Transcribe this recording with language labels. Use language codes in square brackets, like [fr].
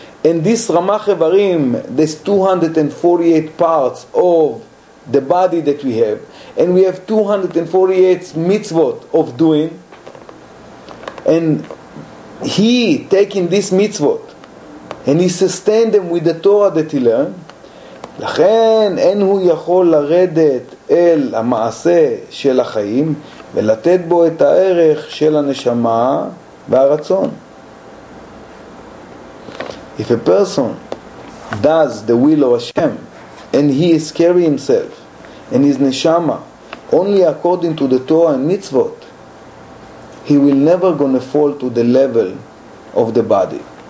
[en] And this Ramach Evarim, this 248 parts of the body that we have, and we have 248 mitzvot of doing, and he taking this mitzvot and he sustained them with the Torah that he learned. [he] לכן אין הוא יכול לרדת אל המעשה של החיים ולתת בו את הערך של הנשמה והרצון. [en] If a person does the will of Hashem and he is carrying himself and his neshama only according to the Torah and mitzvot, he will never going to fall to the level of the body.